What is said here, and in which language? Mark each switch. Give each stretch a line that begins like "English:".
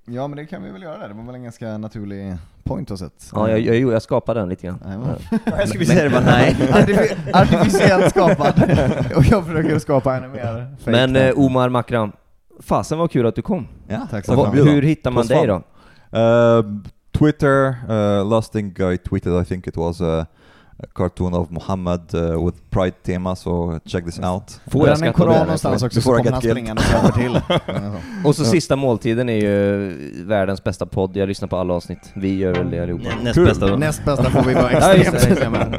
Swedish: Ja, men det kan vi väl göra. Det var väl en ganska naturlig point och sätt. Ja, jag skapade den lite grann. Jag skulle säga det bara nej. Artificiellt skapad. Och jag försöker skapa ännu mer. Men Omar Makram, fasen vad kul att du kom. Ja, tack så mycket. Hur hittar man dig då?
English: Twitter, last thing I tweeted, I think it was... A cartoon of Muhammad with pride tema, so check this out.
Swedish: Får jag en koran någonstans också så kommer han springa och till. Och så sista måltiden är ju världens bästa podd. Jag lyssnar på alla avsnitt. Vi gör väl det allihopa. Näst bästa får vi vara extremt.